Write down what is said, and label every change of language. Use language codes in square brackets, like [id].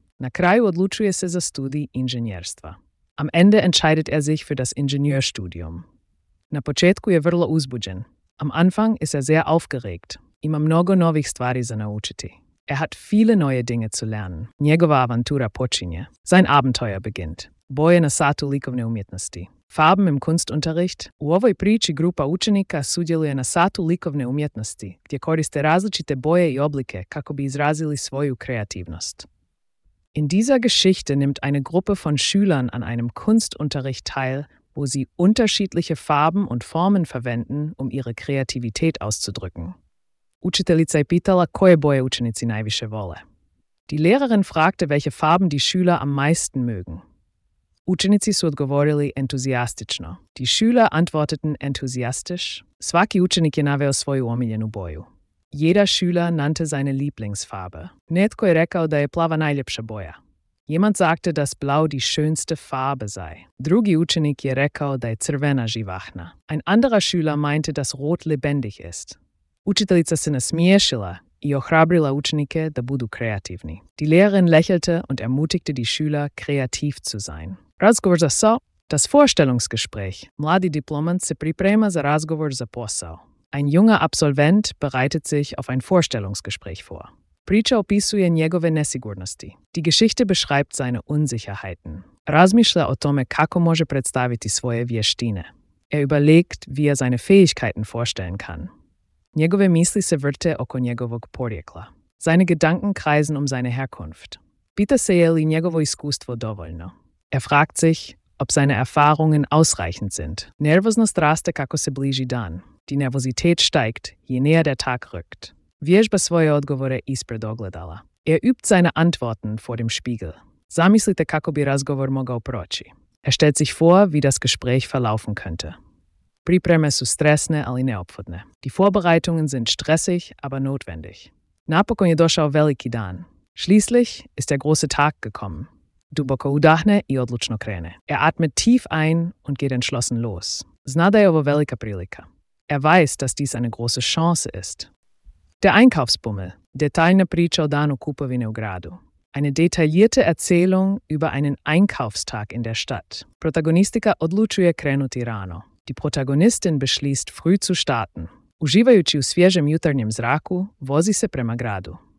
[hr] Na kraju odlučuje se za studij inženjerstva. [de] Am Ende entscheidet er sich für das Ingenieurstudium. [hr] Na početku je vrlo uzbuđen. [de] Am Anfang ist er sehr aufgeregt. [hr] Ima mnogo novih stvari za naučiti. [de] Er hat viele neue Dinge zu lernen. [hr] Njegova avantura počinje. [de] Sein Abenteuer beginnt. [hr] Boje na satu likovne umjetnosti. [de] Farben im Kunstunterricht. [hr] U ovoj priči grupa učenika sudjeluje na satu likovne umjetnosti, gdje koriste različite boje i oblike kako bi izrazili svoju kreativnost. [de] In dieser Geschichte nimmt eine Gruppe von Schülern an einem Kunstunterricht teil, wo sie unterschiedliche Farben und Formen verwenden, um ihre Kreativität auszudrücken. [hr] Učiteljica je pitala koje boje učenici najviše vole. [de] Die Lehrerin fragte, welche Farben die Schüler am meisten mögen. [hr] Učenici su odgovorili entuzijastično. [de] Die Schüler antworteten enthusiastisch. [hr] Svaki učenik je naveo svoju omiljenu boju. [de] Jeder Schüler nannte seine Lieblingsfarbe. [hr] Netko je rekao da je plava najljepša boja. [de] Jemand sagte, dass blau die schönste Farbe sei. [hr] Drugi učenik je rekao da je crvena živahna. [de] Ein anderer Schüler meinte, dass rot lebendig ist. [hr] Učiteljica se nasmiješila i ohrabrila učenike da budu kreativni. [de] Die Lehrerin lächelte und ermutigte die Schüler, kreativ zu sein. [hr] Razgovor za so, [de] das Vorstellungsgespräch. [hr] Mladi diplomant se priprema za razgovor za posao. [de] Ein junger Absolvent bereitet sich auf ein Vorstellungsgespräch vor. [hr] Priča opisuje njegove nesigurnosti. [de] Die Geschichte beschreibt seine Unsicherheiten. [hr] Razmišlja o tome kako može predstaviti svoje vještine. [de] Er überlegt, wie er seine Fähigkeiten vorstellen kann. [hr] Njegove misli se vrte oko njegovog porijekla. [de] Seine Gedanken kreisen um seine Herkunft. [hr] Pita se je li njegovo iskustvo dovoljno. [de] Er fragt sich, ob seine Erfahrungen ausreichend sind. [hr] Nervoznost raste kako se bliži dan. [de] Die Nervosität steigt, je näher der Tag rückt. [hr] Vježba svoje odgovore ispred ogledala. [de] Er übt seine Antworten vor dem Spiegel. [hr] Zamislite kako bi razgovor mogao proći. [de] Er stellt sich vor, wie das Gespräch verlaufen könnte. [hr] Pripreme su stresne, ali neophodne. [de] Die Vorbereitungen sind stressig, aber notwendig. [hr] Napokon je došao veliki dan. [de] Schließlich ist der große Tag gekommen. [hr] Duboko udahne i odlučno krene. [de] Er atmet tief ein und geht entschlossen los. [hr] Zna da je ovo velika prilika. [de] Er weiß, dass dies eine große Chance ist. Der Einkaufsbummel. [hr] Detaljna priča o danu kupovine u gradu. [de] Eine detaillierte Erzählung über einen Einkaufstag in der Stadt. [hr] Protagonistika odlučuje krenuti rano. [de] Die Protagonistin beschließt, früh zu starten. [hr] Uživajući u svježem jutarnjem zraku, vozi se prema gradu.